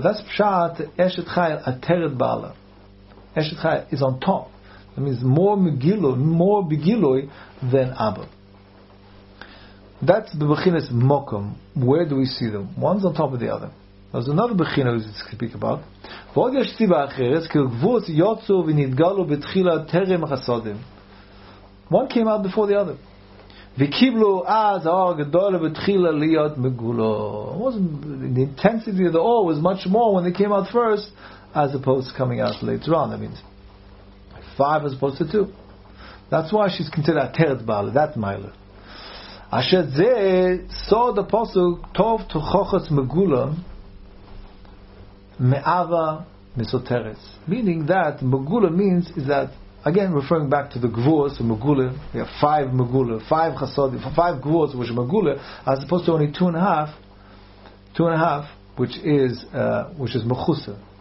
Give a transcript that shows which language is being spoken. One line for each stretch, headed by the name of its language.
English: That's pshat eshet chayil ateret bala. Eshet chayil is on top. That means more bigiloi than abba. That's the bechina's mokum. Where do we see them? One's on top of the other. There's another bechina we speak about.
Hebrew: ועוד יש סיבה אחרת, כי גבורות יוצאו ונתגלו בתחילה טרם החסודים.
English: One came out before the other.
Hebrew: וקיבלו אז האור הגדול ובתחילה להיות מגולו.
English: The intensity of the awe was much more when they came out first, as opposed to coming out later on. That means five as opposed to two. That's why she's considered עטרת בעלה, that מיילה.
Hebrew: אשר זה סוד הפוסוק טוב תוכחת מגולו, Me'ava Mesoteres,
English: meaning that Megula means is that, again referring back to the Gvuos, so Megula, we have five Megula, five Chasodim, five Gvuos, which are Megula, as opposed to only two and a half, which is Mechusa.